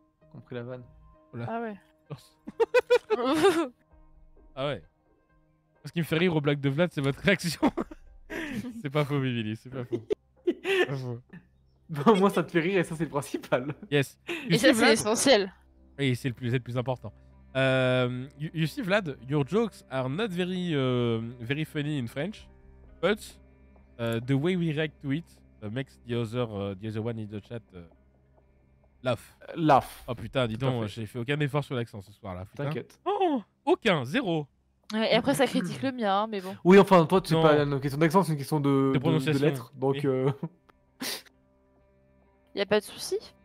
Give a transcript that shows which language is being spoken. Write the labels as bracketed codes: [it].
[fr] Compris la vanne. Oula. Ah ouais? Ah ouais? Ce qui me fait rire aux blagues de Vlad, c'est votre réaction. C'est pas faux, Vivili, c'est pas faux. Bon, moi, ça te fait rire et ça, c'est le principal. [en] Yes. [fr] Et ça, c'est essentiel. Oui, c'est le plus important. [en] You see, Vlad, your jokes are not very, very funny in French, but the way we react to it. Makes the other one in the chat Laf. Laf. [fr] Oh putain, dis donc, j'ai fait aucun effort sur l'accent ce soir-là. Putain. T'inquiète. Oh, aucun, zéro. Et après, ça critique le mien, mais bon. Oui, enfin, toi, c'est non. pas une question d'accent, c'est une question de prononciation. De lettres, donc. Il y a pas de souci.